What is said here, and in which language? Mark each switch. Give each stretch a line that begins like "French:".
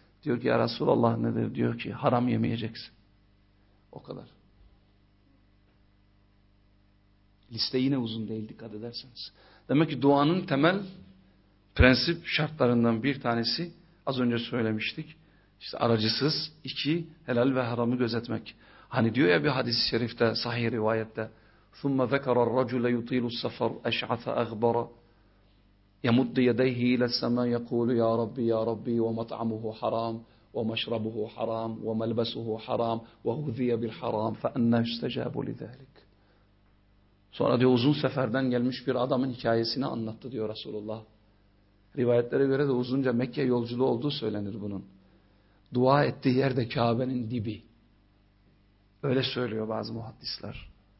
Turkish: Diyor ki ya Resulallah nedir? Diyor ki haram yemeyeceksin. O kadar. Liste yine uzun değil dikkat ederseniz. Demek ki duanın temel prensip şartlarından bir tanesi az önce söylemiştik. İşte aracısız, iki helal ve haramı gözetmek. Hani diyor ya bir hadis-i şerifte, sahih rivayette,
Arabic: ثُمَّ ذَكَرَ الرَّجُلَ يُطِيلُ السَّفَرُ أَشْعَثَ أَغْبَرَ يَمُدِّ يَدَيْهِ إِلَى السَّمَاءِ يَقُولُ يَا رَبِّي يَا رَبِّي وَمَطْعَمُهُ حَرَامٌ وَمَشْرَبُهُ حَرَامٌ وَمَلْبَسُهُ حَرَامٌ وَهُذِيَ بِالْحَرَامِ فَأَنَّى يُسْتَجَابُ لِذَلِكَ.
Turkish: Sonra diyor uzun seferden gelmiş bir adamın hikayesini anlattı diyor Resulullah. Rivayetlere göre de uzunca Mekke yolculuğu olduğu söylenir bunun. Dua ettiği yer de Kabe'nin dibi. Öyle söylüyor bazı muhaddisler.